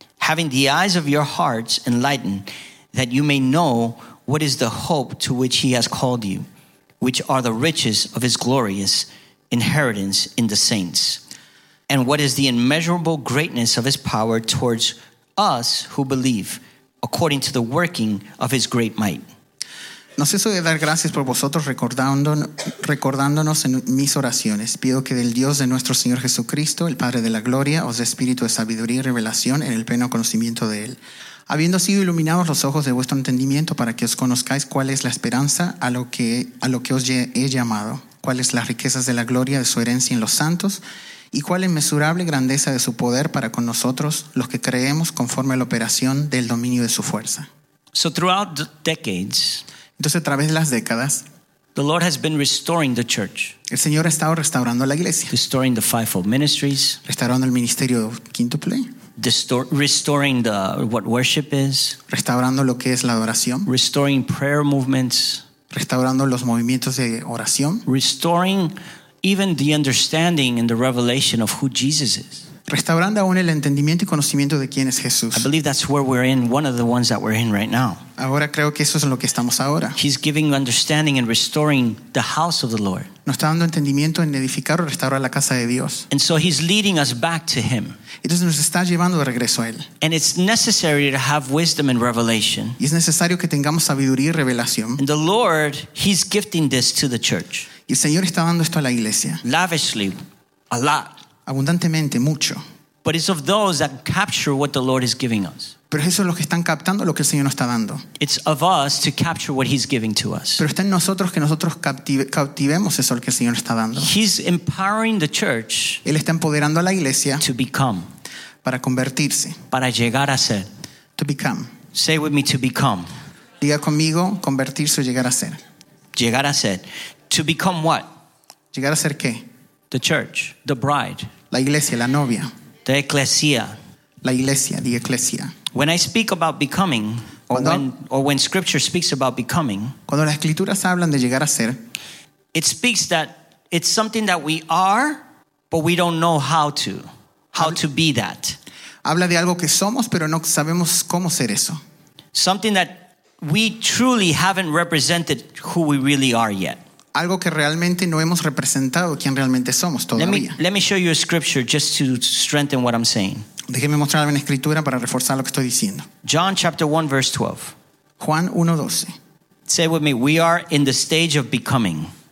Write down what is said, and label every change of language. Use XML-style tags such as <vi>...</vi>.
<en>having the eyes of your hearts enlightened, that you may know what is the hope to which he has called you, which are the riches of his glorious inheritance in the saints, and what is the immeasurable greatness of his power towards us who believe, according to the working of his great might."</en> <es>No ceso de dar gracias por vosotros, recordándonos en mis oraciones. Pido que del Dios de nuestro Señor Jesucristo, el Padre de la Gloria, os dé espíritu de sabiduría y revelación en el pleno conocimiento de Él, habiendo sido iluminados los ojos de vuestro entendimiento para que os conozcáis cuál es la esperanza a lo que os he llamado, cuáles las riquezas de la gloria de su herencia en los santos y cuál inmesurable grandeza de su poder para con nosotros, los que creemos conforme a la operación del dominio de su fuerza.</es> <en>So throughout the decades,</en> <es>entonces, a través de las décadas,</es> <en>the Lord has been restoring the church.</en> <es>El Señor ha estado restaurando la iglesia.</es> <en>Restoring the fivefold ministries.</en> <es>Restaurando el ministerio quíntuple.</es> <en>Restoring what worship is.</en> <es>Restaurando lo que es la adoración.</es> <en>Restoring prayer movements.</en> <es>Restaurando los movimientos de oración.</es> <en>Restoring even the understanding and the revelation of who Jesus is.</en> <es>Restaurando aún el entendimiento y conocimiento de quién es Jesús.</es> <en>I believe that's where we're in, one of the ones that we're in right now.</en> <es>Ahora creo que eso es en lo que estamos ahora.</es> <en>He's giving understanding and restoring the house of the Lord.</en> <es>Nos está dando entendimiento en edificar o restaurar la casa de Dios.</es> <en>And so he's leading us back to him.</en> <es>Entonces nos está llevando de regreso a él.</es> <en>And it's necessary to have wisdom and revelation.</en> <es>Y es necesario que tengamos sabiduría y revelación.</es> <en>And the Lord, he's gifting this to the church.</en> <es>Y el Señor está dando esto a la iglesia.</es> <en>Lavishly, a lot.</en> <es>Abundantemente, mucho.</es> <en>But it's of those that capture what the Lord is giving us.</en> <es>Pero eso es lo que están captando, lo que el Señor nos está dando.</es> <en>It's of us to capture what he's giving to us.</en> <es>Pero está en nosotros que nosotros cautivemos eso que el Señor está dando.</es> <en>He's empowering the church.</en> <es>Él está empoderando a la iglesia.</es> <en>To become.</en> <es>Para convertirse. Para llegar a ser.</es> <en>To become. Say with me, to become.</en> <es>Diga conmigo, convertirse o llegar a ser. Llegar a ser.</es> <en>To become what?</en> <es>Llegar a ser qué?</es> <en>The church, the bride.</en> <es>La iglesia, la novia.</es> <en>The ecclesia.</en> <es>La iglesia,</es> <en>the ecclesia. When I speak about becoming, or when scripture speaks about becoming,</en> <es>cuando las escrituras hablan de llegar a ser,</es> <en>it speaks that it's something that we are, but we don't know how to be that.</en> <es>Habla de algo que somos, pero no sabemos cómo ser eso.</es> <en>Something that we truly haven't represented who we really are yet.</en> <es>Algo que realmente no hemos representado quién realmente somos todavía.</es> <en>Let me show you a scripture just to strengthen what I'm saying.</en> <es>Déjeme mostrarle una escritura para reforzar lo que estoy diciendo.</es> <en>John chapter 1 verse 12.</en> <es>Juan 1:12.</es> <en>Say with me, we are in the stage of becoming.</en>